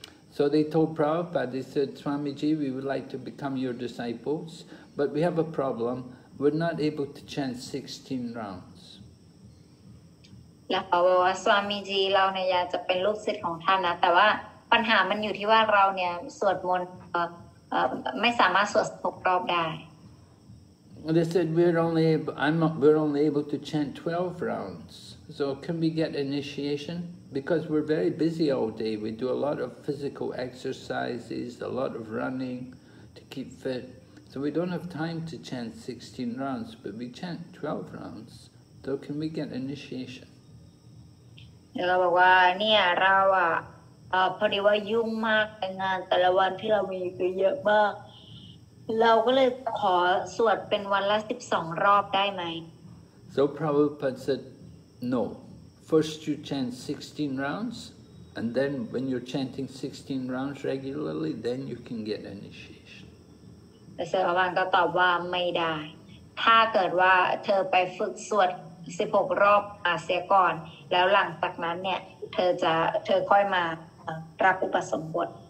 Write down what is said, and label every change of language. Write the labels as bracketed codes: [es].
[en] So they told Prabhupada, they said, Swamiji, we would like to become your disciples, but we have a problem. We're not able to chant 16 rounds. [th] Swamiji, เราเนี่ยจะเป็นลูกศิษย์ของท่านนะแต่ว่าปัญหามันอยู่ที่ว่าเราเนี่ยสวดมนต์ไม่สามารถสวด16รอบได้ [en] They said we're only able to chant 12 rounds. So can we get initiation? Because we're very busy all day. We do a lot of physical exercises, a lot of running to keep fit. So we don't have time to chant 16 rounds, but we chant 12 rounds. So can we get initiation? [th] เราบอกว่าเนี่ยเราอ่ะพอดีว่ายุ่งมากในงานแต่ละวันที่เรามีก็เยอะมากเราก็เลยขอสวดเป็นวันละ12รอบได้ไหม [en] So Prabhupada said, no. First you chant 16 rounds, and then when you're chanting 16 rounds regularly, then you can get initiation. [th] แต่เซอร์พระพันธ์ก็ตอบว่าไม่ได้ถ้าเกิดว่าเธอไปฝึกสวด16รอบอาเซียก่อนแล้วหลังจากนั้นเนี่ยเธอค่อยมารับอุปสมบท